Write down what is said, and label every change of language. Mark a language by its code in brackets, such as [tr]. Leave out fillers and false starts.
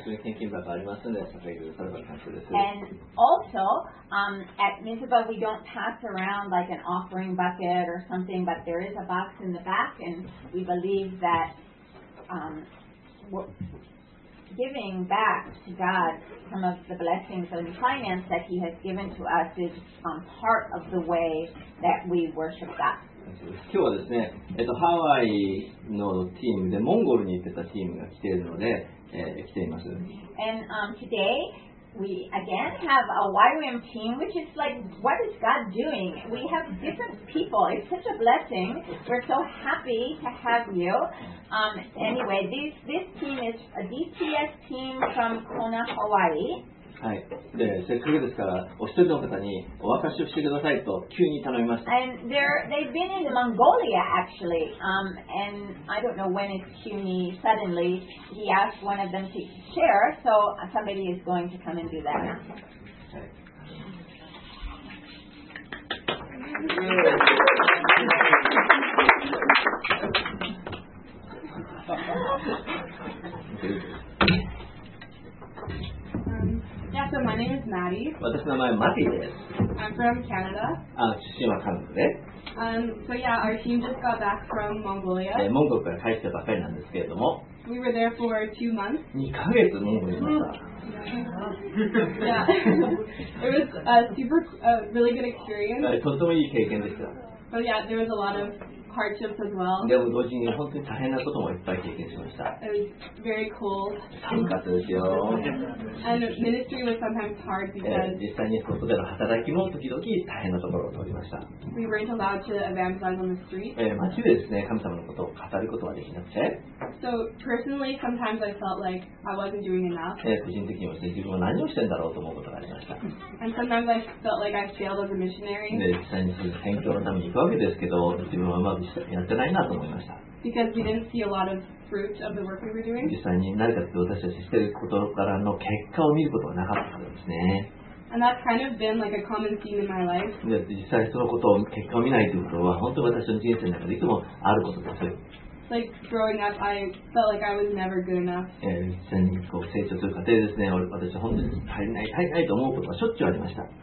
[ja] そういう献金箱ありますので、捧げるサルバの感謝です。 [en] And also, at Mizuba, we don't pass around like an offering bucket or something, but there is a box in the back, and we believe that, giving back to God some of the blessings and finance that He has given to us is part of the way that we worship God. [ja] 今日はですね、ハワイのチームでモンゴルに行ってたチームが来ているので、来ています。 [en] And today we again have a YWAM team, which is like, what is God doing? We have different people. It's such a blessing. We're so happy to have you. Anyway, this team is a DTS team from Kona, Hawaii. [ja] はい、でせっかくですからお一人の方にお明かしをしてくださいと急に頼みました。 [en] And they've been in Mongolia actually, and I don't know when it's Cuny, suddenly he asked one of them to share, so somebody is going to come and do that. Yeah, so my name is Maddie. [ja] 私の名前はマティです。 [en] I'm from Canada. [ja] 出身はカナダで。 [en] So yeah, our team just got back from Mongolia. [ja] モンゴルから帰ったばかりなんですけれども。 [en] We were there for 2 months. [ja] 2ヶ月モンゴルにいました。 [en] Yeah. Yeah. It was a super, really good experience. [ja] とてもいい経験でした。 [en] But yeah, there was a lot of hardships as well. [ja] でも同時に本当に大変なこともいっぱい経験しました。 [en] It was very cold. [ja] 寒かったですよ。 [en] And ministry was sometimes hard because [ja] 実際に外での働きも時々大変なところを通りました。 [en] We weren't allowed to evangelize on the street. [ja] 街でですね、神様のことを語ることはできなくて。 [en] So personally, sometimes I felt like I wasn't doing enough. [ja] 個人的にはですね、自分は何をしてんだろうと思うことがありました。 [en] And sometimes I felt like I failed as a missionary. [ja] 実際に宣教のために行くわけですけど、自分はまあやってないなと思いました。 [en] Because we didn't see a lot of fruit of the work we were doing. [ja] 実際に何かって私たちしてることからの結果を見ることはなかったんですね。 [en] And that's kind of been like a common theme in my life. [ja] で、実際そのことを結果を見ないということは本当に私の人生の中でいつもあることです。 [en] Like growing up, I felt like I was never good enough. [ja] 実際にこう成長する過程ですね、私は本当に足りないと思うことがしょっちゅうありました。